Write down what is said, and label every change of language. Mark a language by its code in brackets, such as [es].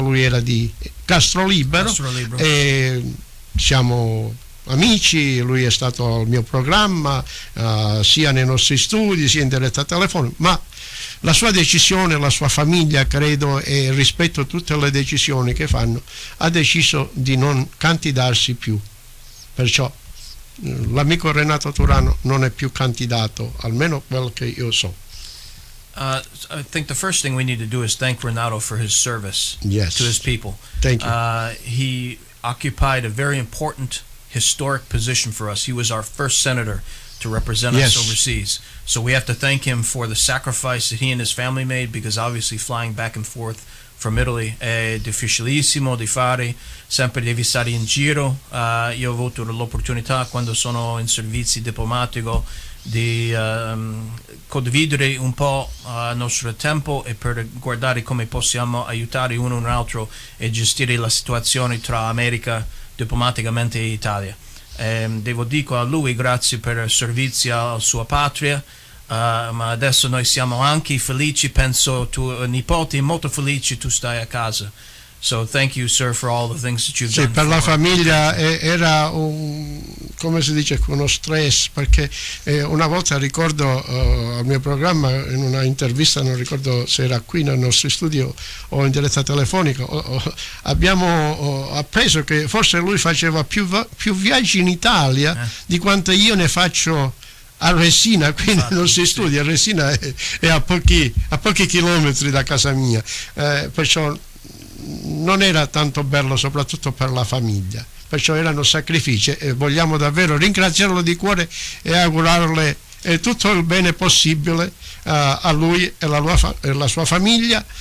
[it] Lui era di Castro Libero. E siamo amici, lui è stato al mio programma, sia nei nostri studi sia in diretta telefonica, ma la sua decisione, la sua famiglia, credo, e rispetto a tutte le decisioni che fanno, ha deciso di non candidarsi più. Perciò l'amico Renato Turano non è più candidato, almeno quel che io so. [en] I think the first thing we need to do is thank Renato for his service, yes, to his people. Thank you. He occupied a very important historic position for us. He was our first senator to represent, yes, us overseas. So we have to thank him for the sacrifice that he and his family made, because obviously flying back and forth from Italy [it] è difficilissimo di fare, sempre devi stare in giro. Io ho avuto l'opportunità, quando sono in servizio diplomatico, di condividere un po' nostro tempo e per guardare come possiamo aiutare uno un altro e gestire la situazione tra America diplomaticamente in Italia. Devo dire a lui grazie per il servizio alla sua patria, ma adesso noi siamo anche felici, penso tuo nipote è molto felice, tu stai a casa. [en] So thank you, sir, for all the things that you've, [it] sì, [en] done. [it] Per la famiglia era un, come si dice, uno stress, perché una volta ricordo al mio programma, in una intervista, non ricordo se era qui nel nostro studio o in diretta telefonica, abbiamo appreso che forse lui faceva più viaggi in Italia di quanto io ne faccio a Resina, qui nei nostri studi. A Resina è a pochi chilometri da casa mia, perciò non era tanto bello, soprattutto per la famiglia, perciò erano sacrifici, e vogliamo davvero ringraziarlo di cuore e augurarle tutto il bene possibile a lui e la sua famiglia.